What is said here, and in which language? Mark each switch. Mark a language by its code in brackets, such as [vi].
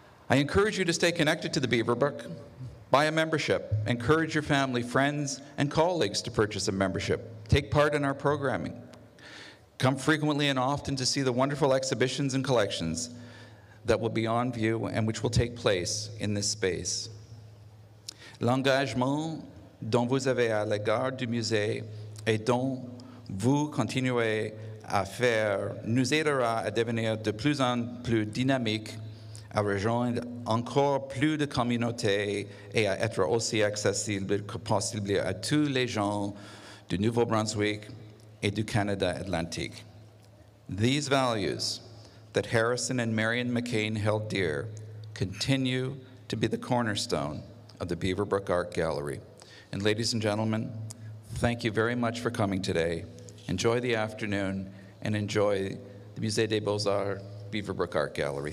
[en] I encourage you to stay connected to the Beaverbrook. Buy a membership. Encourage your family, friends, and colleagues to purchase a membership. Take part in our programming. Come frequently and often to see the wonderful exhibitions and collections that will be on view and which will take place in this space. [fr] L'engagement dont vous avez à l'égard du musée et dont vous continuez à faire nous aidera à devenir de plus en plus dynamique, à rejoindre encore plus de communautés et à être aussi accessible que possible à tous les gens du Nouveau-Brunswick et du Canada Atlantique. [en] These values that Harrison and Marion McCain held dear continue to be the cornerstone of the Beaverbrook Art Gallery. And ladies and gentlemen, thank you very much for coming today. Enjoy the afternoon and enjoy the Musée des Beaux-Arts Beaverbrook Art Gallery.